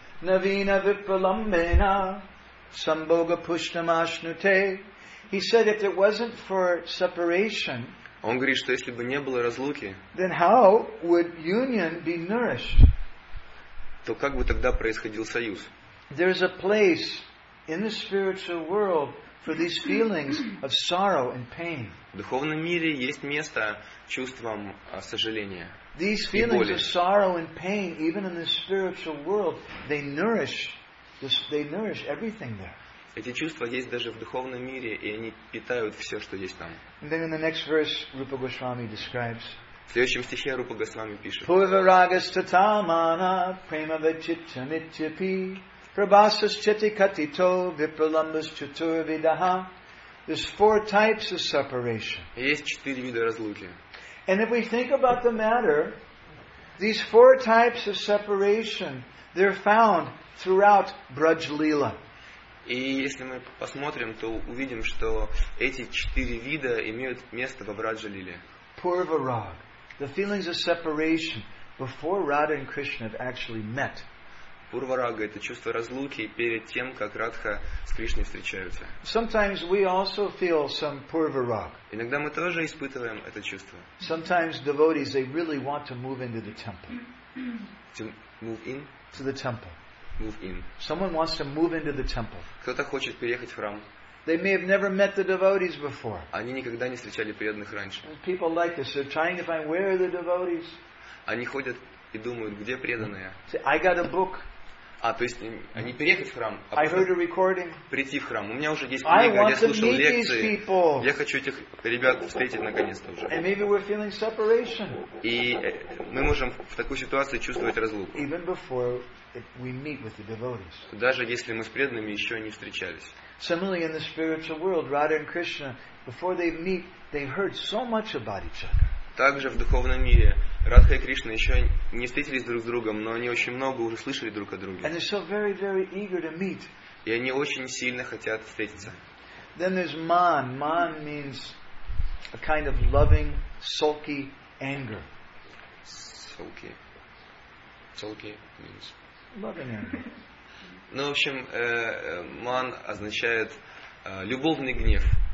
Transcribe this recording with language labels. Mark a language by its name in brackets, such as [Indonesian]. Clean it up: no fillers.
[Sanskrit] Navina vipalambena samboga pushnamashnute. [English] He said if it wasn't for separation, [Russian] он говорит, что если бы не было разлуки, [English] then how would union be nourished? [Russian] То как бы тогда происходил союз? [English] There is a place in the spiritual world for these feelings of sorrow and pain. [Russian] В духовном мире есть место чувствам сожаления. [English] These feelings of sorrow and pain, even in the spiritual world, they nourish everything there. [Russian] Эти чувства есть даже в духовном мире, и они питают все, что есть там. [English] And then in the next verse, Rupa Goswami describes. [Russian] В следующем стихе Рупа Госвами пишет. [Sanskrit] Purvaragas tatamana prema vachitamityapi prabhasas chitikatito vipralambas chaturvidaha. [English] There's four types of separation. [Russian] Есть четыре вида разлуки. [English] And if we think about the matter, these four types of separation, they're found throughout Braj Lila. [Russian] И если мы посмотрим, то увидим, что эти четыре вида имеют место во Врадже Лиле. [Sanskrit] Purvarag. [English] The feelings of separation before Radha and Krishna have actually met. [Russian] Purvaraga – это чувство разлуки перед тем, как Радха с Кришной встречаются. [English] Sometimes we also feel some purvaraga. [Russian] Иногда мы тоже испытываем это чувство. [English] Sometimes devotees, they really want to move into the temple. To move in? To the temple. Move in. Someone wants to move into the temple. [Russian] Кто-то хочет переехать в храм. [English] They may have never met the devotees before. [Russian] Они никогда не встречали преданных раньше. [English] People like this, they're trying to find where are the devotees. [Russian] Они ходят и думают, где преданные. [English] See, I got a book. [Russian] А то есть они переехали в храм. А [English] I heard a recording. [Russian] Прийти в храм. У меня уже есть книга, я слушал лекции. Я хочу этих ребят встретить наконец-то уже. [English] And maybe we're feeling separation. [Russian] И мы можем в такую ситуацию чувствовать разлуку. [English] Even before we meet with the devotees. [Russian] Даже если мы с преданными еще не встречались. [English] Similarly in the spiritual world, Radha and Krishna, before they meet, they've heard so much about each other. [Russian] Также в духовном мире Радха и Кришна еще не встретились друг с другом, но они очень много уже слышали друг о друге. [English] And they're so very, very eager to meet. [Russian] И они очень сильно хотят встретиться. [English] Then there's man. Man means a kind of loving, sulky anger. Sulky. Sulky means. Loving anger. [Russian] Ну, в общем, man означает любовный гнев.